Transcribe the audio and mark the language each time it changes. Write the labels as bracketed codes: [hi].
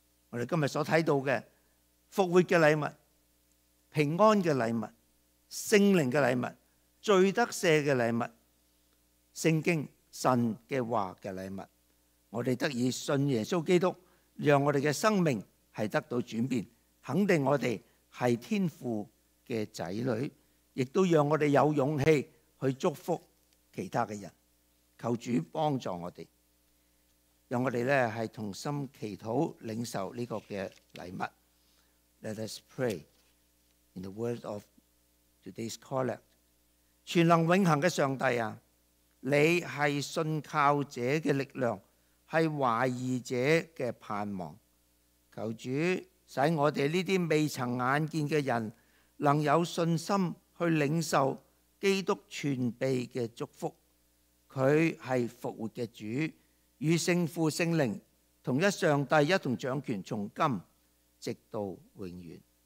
[zh] 我们今天所看到的复活的礼物、平安的礼物、圣灵的礼物、罪得赦的礼物、圣经神的话的礼物，我们得以信耶稣基督，让我们的生命是得到转变，肯定我们是天父的子女，也都让我们有勇气去祝福其他的人。求主帮助我们，让我们是同心祈祷领受这个礼物。 [en] Let us pray in the word of today's collect. [zh] 全能永恒的上帝啊，你是信靠者的力量，是怀疑者的盼望。求主使我们这些未曾眼见的人能有信心去领受基督全备的祝福，祂是复活的主，与圣父圣灵同一上帝一同掌权，从今直到永远。